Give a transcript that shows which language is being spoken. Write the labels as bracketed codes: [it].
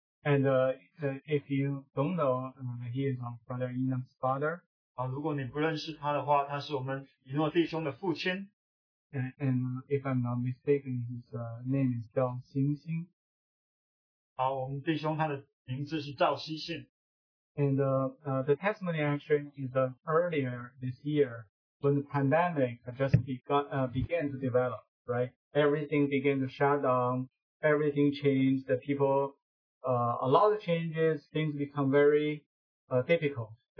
[en] And if you don't know, he is our brother Enoch's father. [zh] 如果你不认识他的话，他是我们以诺弟兄的父亲。 [en] And if I'm not mistaken, his name is Zhao Xingxing. [zh] 好，我们弟兄他的名字是赵希信。And [en] the testimony actually is earlier this year when the pandemic just began to develop, right? Everything began to shut down, everything changed, the people, a lot of changes, things become very difficult.